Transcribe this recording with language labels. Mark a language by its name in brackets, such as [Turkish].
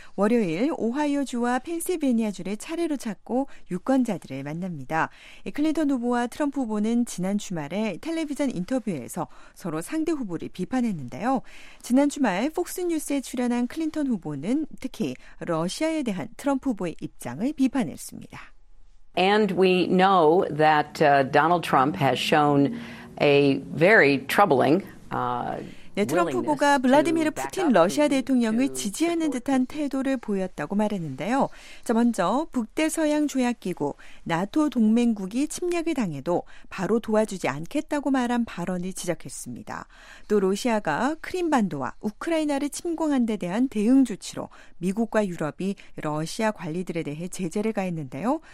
[Korean] 월요일 오하이오주와 펜실베니아주를 차례로 찾고 유권자들을 만납니다. 클린턴 후보와 트럼프 후보는 지난 주말에 텔레비전 인터뷰에서 서로 상대 후보를 비판했는데요. 지난 주말 폭스뉴스에 출연한 클린턴 후보는 특히 러시아에 대한 트럼프 후보의 입장을 비판했습니다. [English] And we know that Donald Trump has shown a very troubling [Korean] 네, 트럼프 후보가 블라디미르 푸틴 러시아 대통령을 지지하는 듯한 태도를 보였다고 말했는데요. 자, 먼저 북대서양 조약기구 나토 동맹국이 침략을 당해도 바로 도와주지 않겠다고 말한 발언을 지적했습니다. 또 러시아가 크림반도와 우크라이나를 침공한 데 대한 대응 조치로 미국과 유럽이 러시아 관리들에 대해 제재를 가했는데요.